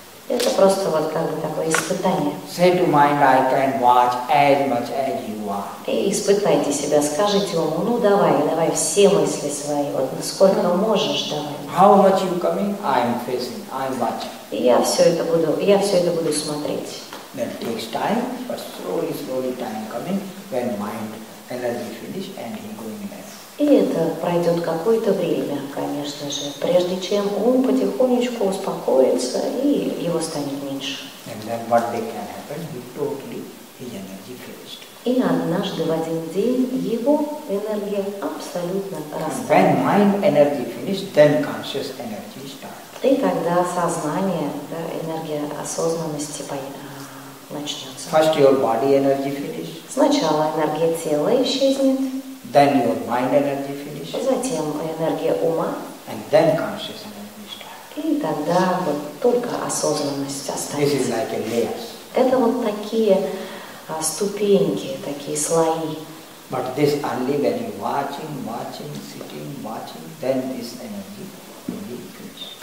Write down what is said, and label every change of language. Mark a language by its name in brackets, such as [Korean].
[Russian] Это просто вот как бы такое испытание. [English] Say to mind, I can watch as much as you want. [Russian] И испытайте себя, скажите ему, ну давай все мысли свои, вот сколько можешь, давай. [English] How much you coming? I'm facing, I'm watching. [Russian] И я все это буду смотреть. [English] That takes time, but slowly, slowly time coming when mind energy finish and he going back. [Russian] И это пройдет какое-то время, конечно же, прежде чем ум потихонечку успокоится и его станет меньше. [English] And then what they can happen, he totally, his energy finished. [Russian] И однажды в один день его энергия абсолютно растает. [English] When mind energy finished, then conscious energy starts. [Russian] И тогда сознание, да, энергия осознанности начнется. [English] First your body energy finish. [Russian] Сначала энергия тела исчезнет. [English] Then your mind energy finish. [Russian] Затем энергия ума. [English] And then conscious energy starts. [Russian] И тогда вот только осознанность останется. [English] This is like a layers. [Russian] Это вот такие ступеньки, такие слои. [English] But this only when you watching, sitting, watching, then this energy will be finished.